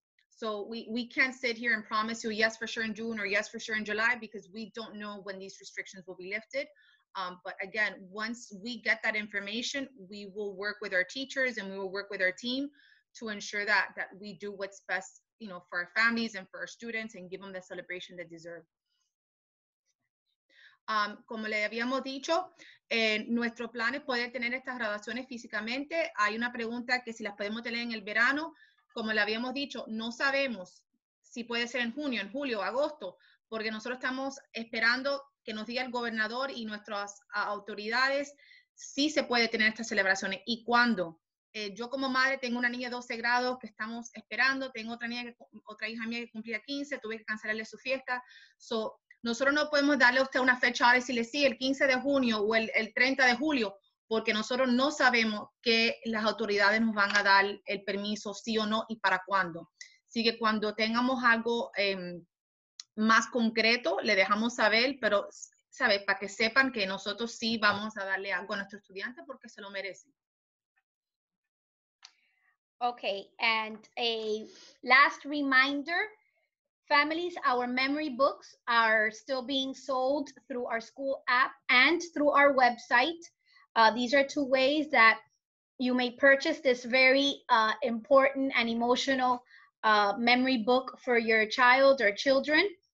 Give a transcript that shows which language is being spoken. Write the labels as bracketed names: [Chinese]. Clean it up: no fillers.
[English] So we can't sit here and promise you yes for sure in June or yes for sure in July, because we don't know when these restrictions will be lifted. But again, once we get that information, we will work with our teachers and we will work with our team to ensure that we do what's best, you know, for our families and for our students and give them the celebration they deserve. [Spanish] Como le habíamos dicho, nuestro plan es poder tener estas graduaciones físicamente. Hay una pregunta que si las podemos tener en el verano. Como le habíamos dicho, no sabemos si puede ser en junio, en julio, agosto, porque nosotros estamos esperando que nos diga el gobernador y nuestras autoridades si se puede tener estas celebraciones y cuándo. Yo como madre tengo una niña de 12 grados que estamos esperando, tengo otra hija mía que cumplía 15, tuve que cancelarle su fiesta. So, nosotros no podemos darle a usted una fecha ahora y decirle sí, el 15 de junio o el 30 de julio, porque nosotros no sabemos que las autoridades nos van a dar el permiso, sí o no, y para cuándo. Así que cuando tengamos algo más concreto, le dejamos saber, pero sabe, para que sepan que nosotros sí vamos a darle algo a nuestro estudiante porque se lo merecen. [English] Okay, and a last reminder, families, our memory books are still being sold through our school app and through our website. These are two ways that you may purchase this very important and emotional memory book for your child or children.